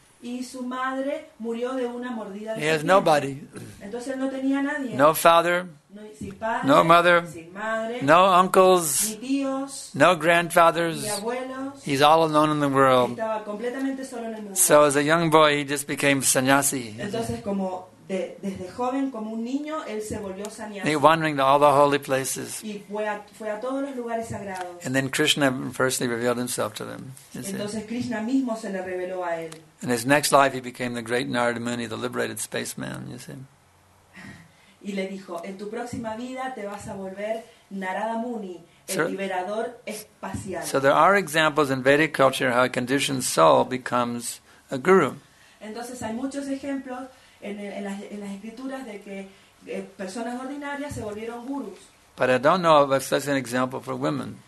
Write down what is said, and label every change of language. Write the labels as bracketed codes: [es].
[es] Y su madre murió de una mordida de [en] he has nobody. [es] Entonces él no tenía nadie. [en] No father. [es] No, sin padre, [en] no mother. [es] Sin madre, [en] no uncles. [es] Ni tíos, [en] no grandfathers. [es] Ni abuelos. [en] He's all alone in the world. [es] Estaba completamente solo en el mundo. [en] So as a young boy, he just became sannyasi. [es] Entonces, como desde joven, como un niño, él se volvió sannyasi. [en] He wandering to all the holy places. [es] Y fue a todos los lugares sagrados. [en] And then Krishna firstly revealed himself to them. [es] Entonces Krishna mismo se le reveló a él. [en] In his next life, he became the great Narada Muni, the liberated spaceman. You see. [es] Y le dijo, en tu próxima vida te vas a volver Narada Muni, el liberador espacial. [en] So there are examples in Vedic culture how a conditioned soul becomes a guru. [es] Entonces hay muchos ejemplos en las escrituras de que personas ordinarias se volvieron gurus. [en] But I don't know of a certain example for women.